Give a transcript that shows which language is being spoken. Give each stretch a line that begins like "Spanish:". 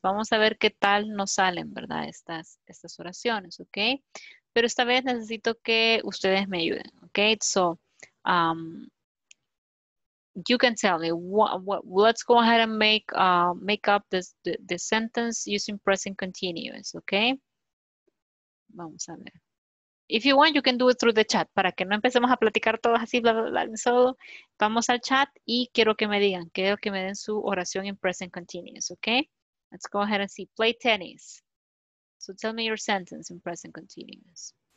Spanish: Vamos a ver qué tal nos salen, ¿verdad? Estas oraciones, ¿ok? Pero esta vez necesito que ustedes me ayuden, ¿ok?
English: So, you can tell me, let's go ahead and make make up the sentence using present continuous, ¿ok?
Spanish: Vamos a ver.
English: If you want, you can do it through the chat,
Spanish: para que no empecemos a platicar todos así, bla, bla, bla. So, vamos al chat y quiero que me digan, quiero que me den su oración en present continuous, ¿ok?
English: Let's go ahead and see. Play tennis. So, tell me your sentence in present continuous.